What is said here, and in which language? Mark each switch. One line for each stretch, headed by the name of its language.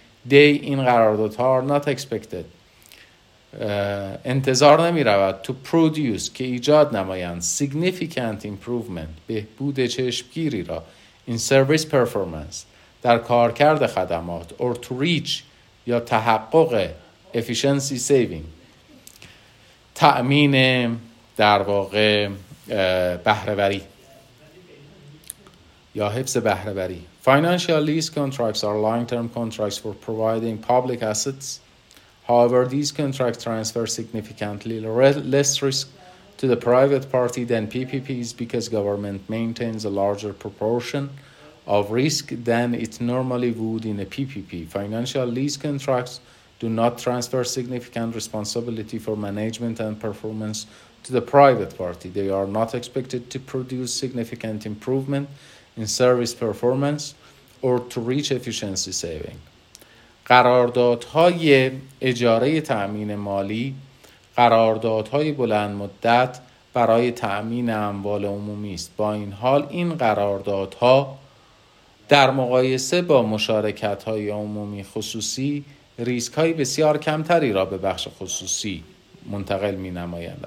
English: They,
Persian: این قراردادها,
English: are not expected,
Persian: انتظار نمی رود,
English: to produce,
Persian: که ایجاد نمایند,
English: significant improvement,
Persian: بهبود چشمگیری را,
English: in service performance,
Persian: در کارکرد خدمات,
English: or to reach,
Persian: یا تحقق
English: efficiency saving,
Persian: تأمین در واقع بهره‌وری یا حفظ بهره‌وری.
English: Financial lease contracts are long-term contracts for providing public assets. However, these contracts transfer significantly less risk to the private party than PPPs because government maintains a larger proportion of risk than it normally would in a PPP. Financial lease contracts do not transfer significant responsibility for management and performance to the private party. They are not expected to produce significant improvement in service performance or to reach efficiency saving.
Persian: قراردادهای اجاره تأمین مالی, قراردادهای بلند مدت برای تأمین اموال عمومی است. با این حال این قراردادها در مقایسه با مشارکت‌های عمومی خصوصی ریسک‌های بسیار کمتری را به بخش خصوصی منتقل می‌نمایند.